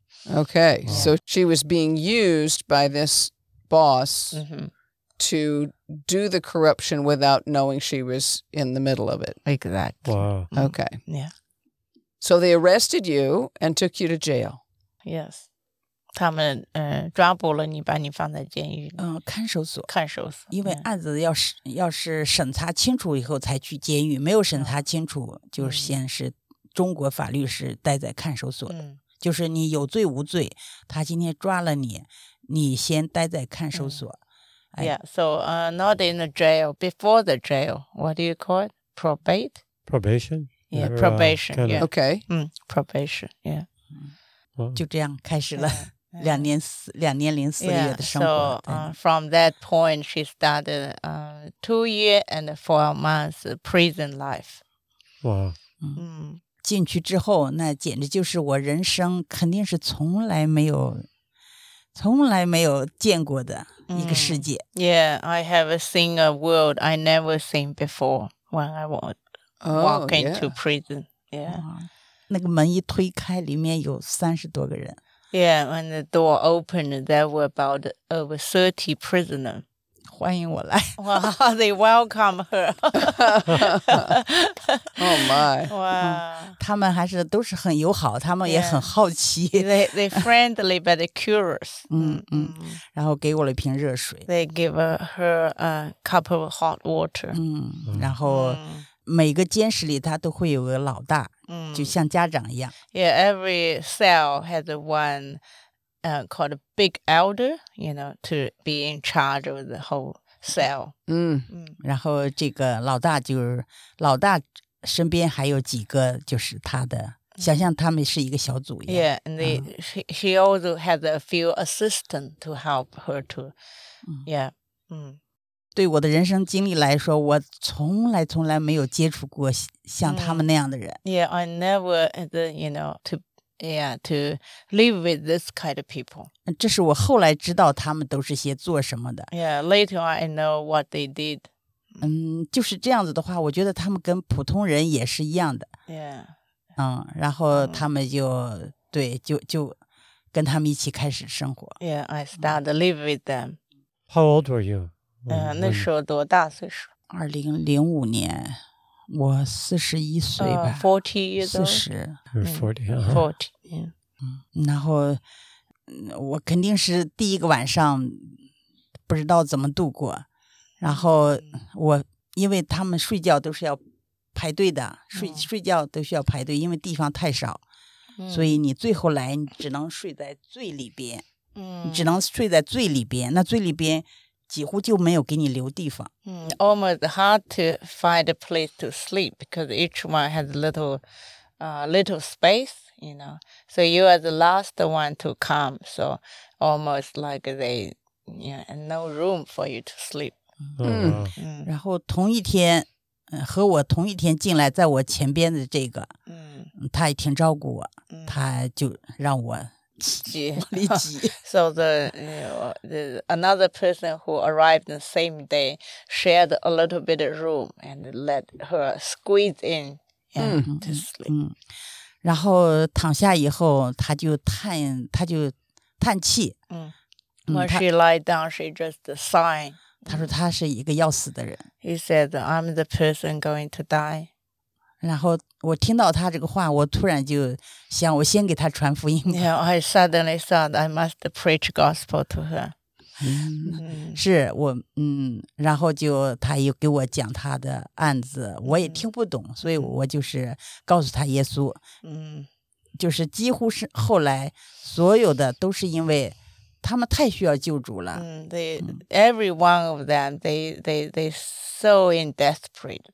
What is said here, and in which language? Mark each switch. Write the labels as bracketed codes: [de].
[en] Okay, wow. So she was being used by this boss to do the corruption without knowing she was in the middle of it. Exactly. Wow. Okay. Yeah. So they arrested you and took you to jail. Yes. [zh] 他们抓捕了你，把你放在监狱。看守所。看守所。因为案子要是审查清楚以后才去监狱，没有审查清楚，就先是中国法律是待在看守所的，就是你有罪无罪，他今天抓了你，你先待在看守所。 [en] Not in the jail, before the jail. What do you call it? Probate? Probation? Yeah, probation. Yeah. Okay. Probation, yeah. [zh] 就这样开始了两年零四个月的生活。 [en] Yeah, from that point, she started 2 years and 4 months prison life. Wow. [zh] 进去之后，那简直就是我人生肯定是从来没有见过的一个世界。 [en] Yeah, I have seen a world I never seen before when I walk into prison. Yeah. [zh] 那个门一推开，里面有30多个人。 [en] Yeah, when the door opened, there were about over 30 prisoners. [zh] 欢迎我来。 [en] Wow, they welcome her. Oh my. Wow. [zh] 他们还是都是很友好，他们也很好奇。 [en] They friendly but curious. [zh] 然后给我了一瓶热水。 [en] They give her a cup of hot water. [zh] 然后每个监室里他都会有个老大。就像家长一样。 [en] Yeah, every cell has one called a big elder, you know, to be in charge of the whole cell. [zh] 然后这个老大就是老大身边还有几个就是他的想象他们是一个小组一样。 [en] Yeah, and she also has a few assistants to help her to, yeah. [zh] 对我的人生经历来说，我从来没有接触过像他们那样的人。 [en] Yeah, I never, you know, to live with this kind of people. [zh] 这是我后来知道他们都是些做什么的。 [en] Yeah, later I know what they did. [zh] 就是这样子的话，我觉得他们跟普通人也是一样的。 [en] Yeah. [zh] 然后他们就对，就跟他们一起开始生活。 [en] Yeah, I started to live with them. How old were you? [zh] 那时候多大岁数？ 2005年，我四十一岁吧。 [en] 40 years old. 40. Forty. Forty. Yeah. [zh] 然后我肯定是第一个晚上不知道怎么度过，然后我因为他们睡觉都是要排队的，睡觉都需要排队，因为地方太少，所以你最后来你只能睡在最里边，你只能睡在最里边，那最里边几乎就没有给你留地方。 [en] Almost hard to find a place to sleep because each one has a little space, you know. So you are the last one to come, so almost like they, yeah, and no room for you to sleep. [zh] 然后同一天，和我同一天进来在我前边的这个，他也挺照顾我，他就让我 [en] So the another person who arrived the same day shared a little bit of room and let her squeeze in to sleep. [zh] 然后躺下以后，他就叹气。 [en] When she lied down, she just sighed. [zh] 他说他是一个要死的人。 [en] He said, "I'm the person going to die." [zh] 然后我听到他这个话，我突然就想，我先给他传福音。 [en] Yeah, I suddenly thought I must preach gospel to her. [zh] 是我然后就他又给我讲他的案子，我也听不懂，所以我就是告诉他耶稣。就是几乎是后来所有的都是因为他们太需要救主了。 [en] Every one of them, they so in desperate.